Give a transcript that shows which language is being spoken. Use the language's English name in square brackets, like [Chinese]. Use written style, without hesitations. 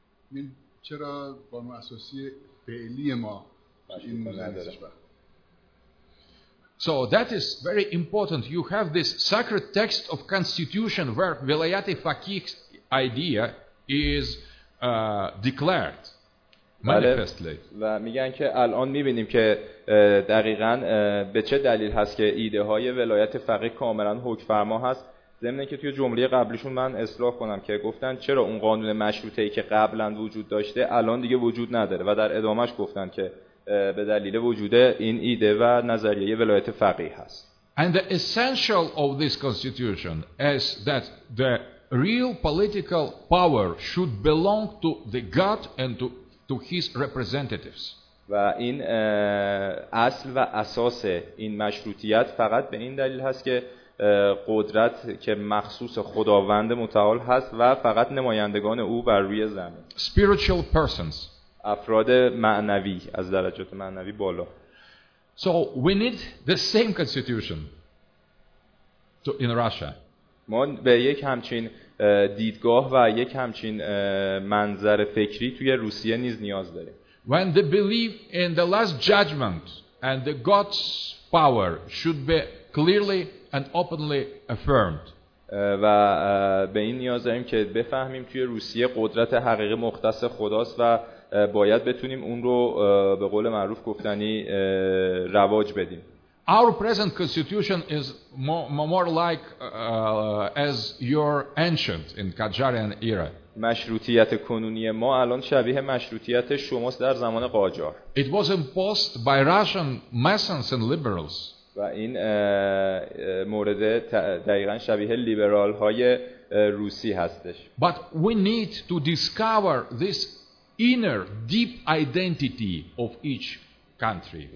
[Persian] من چرا قانون اساسی فعلی ما این موزه [English] So that is very important. You have this sacred text of constitution where Velayat-e Faqih's idea is declared manifestly. [Persian] و میگن که الان میبینیم که دقیقاً به چه دلیل هست که ایده های ولایت فقیه کاملا حکم فرما هست ضمن اینکه توی جمله قبلیشون من اصلاح کنم که گفتن چرا اون قانون مشروطه‌ای که قبلا وجود داشته الان دیگه وجود نداره و در ادامهش گفتن که به دلیل وجود این ایده و نظریه ولایت فقیه هست. [English] And the essential of this constitution is that the real political power should belong to the God and to his representatives. [Persian] و این اصل و اساس این مشروطیت فقط به این دلیل هست که قدرت که مخصوص خداوند متعال هست و فقط نمایندگان او بر روی زمین. [English] Spiritual persons. [Persian] افراد معنوی از درجات معنوی بالا. [English] So we need the same constitution to in Russia. [Persian] ما به یک همچین دیدگاه و یک همچین منظر فکری توی روسیه نیز نیاز داریم. [English] When the belief in the last judgment and the God's power should be clearly and openly affirmed. [Persian] و به این نیاز داریم که بفهمیم توی روسیه قدرت حقیقی مختص خداست و باید بتونیم اون رو به قول معروف گفتنی رواج بدیم. [English] Our present constitution is more like as your ancient in Qajarian era. [Persian] مشروطیت کنونی ما الان شبیه مشروطیت شماست در زمان قاجار. [English] It was imposed by Russian masons and liberals. [Persian] و این مورد دقیقاً شبیه لیبرال های روسی هستش. [English] But we need to discover this inner deep identity of each country.